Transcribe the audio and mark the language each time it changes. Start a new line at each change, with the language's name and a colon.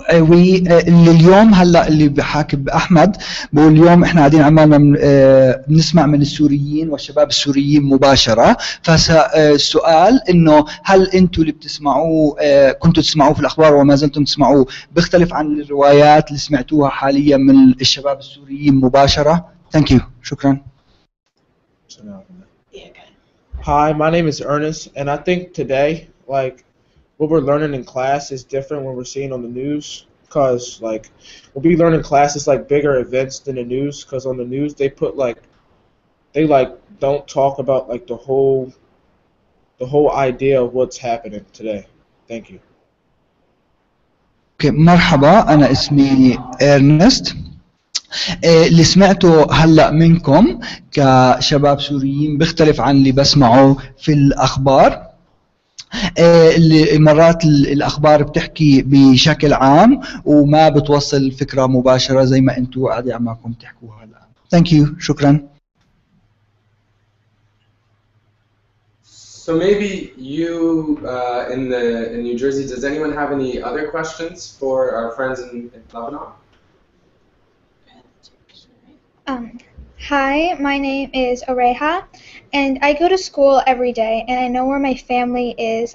Arabic: We اليوم هلا اللي بحاكي بأحمد بقول اليوم إحنا قاعدين عمالنا بنسمع من السوريين والشباب السوريين مباشرة. فسؤال إنه هل أنتوا اللي بتسمعوا كنتوا تسمعوا في الأخبار وما زلتم تسمعوا بيختلف عن الروايات اللي سمعتوها حاليا من الشباب السوريين مباشرة؟
English: Thank you.
Arabic: شكرا.
English: Hi, my name is Ernest, and I think today, like, what we're learning in class is different when we're seeing on the news, because, like, what we learn in class is, like, bigger events than the news, because on the news, they put, like, they, like, don't talk about, like, the whole idea of what's happening today. Thank you.
Arabic: Okay, مرحبا, أنا اسمي Ernest. اللي سمعته هلأ منكم كشباب سوريين بيختلف عن اللي بسمعه في الأخبار. مرات الأخبار بتحكي بشكل عام وما بتوصل فكرة مباشرة زي ما أنتوا قاعدة عماكم تحكوها الآن.
English: Thank you.
Arabic: شكرا.
English: So maybe you in New Jersey, does anyone have any other questions for our friends in Lebanon? Hi, my name is Oreha, and I go to school every day, and I know where my family is.